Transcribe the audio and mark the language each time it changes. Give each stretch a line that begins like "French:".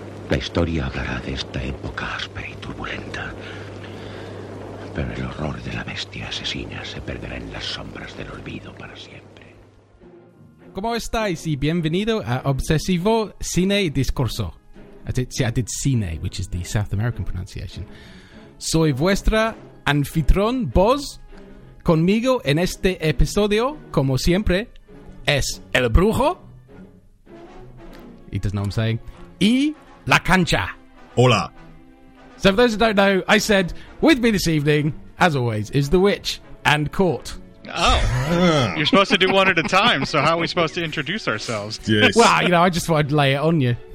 Spanish: La historia hablará de esta época áspera y turbulenta. Pero el horror de la bestia asesina se perderá en las sombras del olvido para siempre. ¿Cómo estáis? Y bienvenido a Obsesivo Cine Discurso.
English: I did cine, which is the South American pronunciation.
Spanish: Soy vuestra anfitrión, Boz. Conmigo en este episodio, como siempre, es el brujo.
English: He doesn't know what I'm saying. Y...
Spanish: La Cancha. Hola.
English: So for those who don't know, I said, with me this evening, as always, is the witch and Court. Oh. You're supposed to do one at a time, so how are we supposed to introduce ourselves? Yes. Well, you know, I just thought I'd lay it on you.